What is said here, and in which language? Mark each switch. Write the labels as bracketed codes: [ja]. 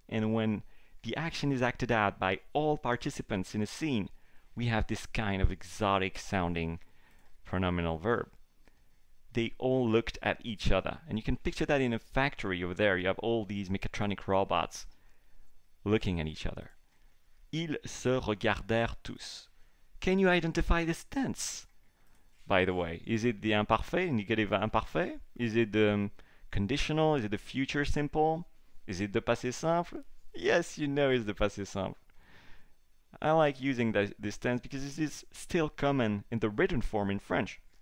[en] And when the action is acted out by all participants in a scene, we have this kind of exotic sounding pronominal verb. They all looked at each other. And you can picture that in a factory over there. You have all these mechatronic robots looking at each other. [fr] Ils se regardèrent tous. [en] Can you identify this tense? By the way, is it the imparfait, negative imparfait? Is it the conditional? Is it the future simple? Is it the passé simple? Yes, you know it's the passé simple. I like using this tense because it is still common in the written form in French.